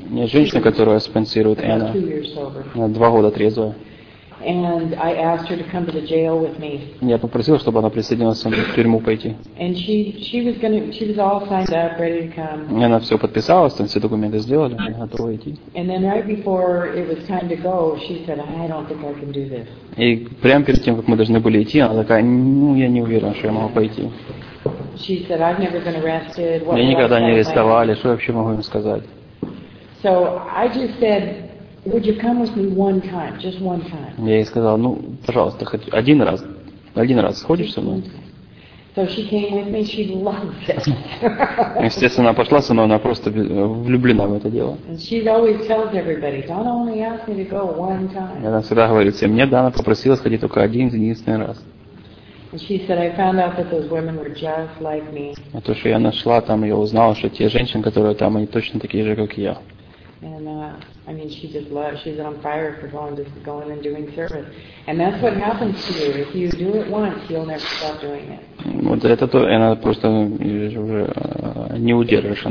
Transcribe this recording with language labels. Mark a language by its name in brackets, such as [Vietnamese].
[Russian] женщина, которую я спонсирую, Anna. Она 2 года трезвая. [English] And I asked her to come to the jail with me. [Russian] Я попросил, чтобы она присоединилась со мной в тюрьму пойти. [English] And she was all signed up, ready to come. [Russian] И она все подписалась, там все документы сделали, готова идти. [English] And then right before it was time to go, she said, I don't think I can do this. [Russian] И прямо перед тем, как мы должны были идти, она такая, ну я не уверена, что я могу пойти. [English] She said, I've never been arrested. What? [Russian] Мне никогда не арестовали, что я вообще могу им сказать? [English] So I just said, would you come with me one time, just one time? [Russian] Я ей сказал, ну, пожалуйста, хоть один раз сходишь со мной? [English] So she came with me, she loved it. [Russian] Естественно, она пошла со мной, она просто влюблена в это дело. [English] And she always tells everybody, Donna only asked me to go one time. [Russian] Она всегда говорит всем, мне Дана попросила сходить только один единственный раз. [English] And she said, I found out that those women were just like me. [Russian] А то, что я нашла там, я узнала, что те женщины, которые там, они точно такие же, как я. [English] I mean, she just loves. She's on fire for going and doing service, and that's what happens to you. If you do it once, you'll never stop doing it. [Russian] Вот это то, она просто уже не удержишь.